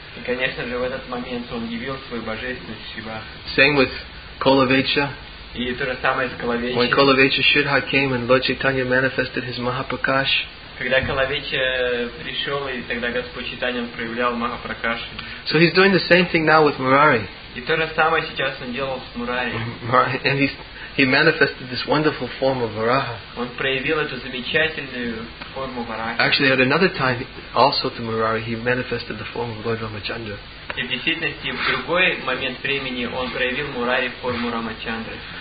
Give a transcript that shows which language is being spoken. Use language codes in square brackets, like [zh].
[ru] Конечно же, в этот момент он явил свою божественность Шивас. [en] Same with Kolavecha. [ru] И то же самое с Kolavecha. [en] When Kolavecha Shuddha came and Lord Chaitanya manifested his Mahaprakash. [ru] Когда Kolavecha пришел и тогда Господь Читания проявлял Махапракаш. [en] So he's doing the same thing now with Murari. [ru] И то же самое сейчас он делал с Мурари. [en] And he manifested this wonderful form of Varaha. [ru] Он проявил эту замечательную форму Варахи. [en] Actually, at another time, also to Murari, he manifested the form of Lord Ramachandra. [ru] И в действительности, в другой момент времени, он проявил Мурари форму Рамачандры.